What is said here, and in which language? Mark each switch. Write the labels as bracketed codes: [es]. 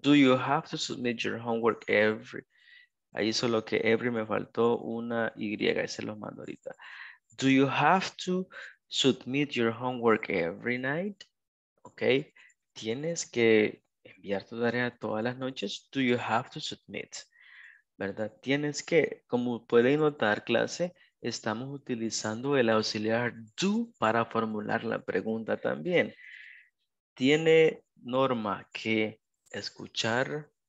[en] Do you have to submit your homework every? [es] Ahí solo que every me faltó una Y. Ahí se los mando ahorita. [en] Do you have to submit your homework every night? Ok. [es] Tienes que enviar tu tarea todas las noches. [en] Do you have to submit? [es] ¿Verdad? Tienes que, como pueden notar, clase, estamos utilizando el auxiliar do para formular la pregunta también. Tiene Norma que escuchar.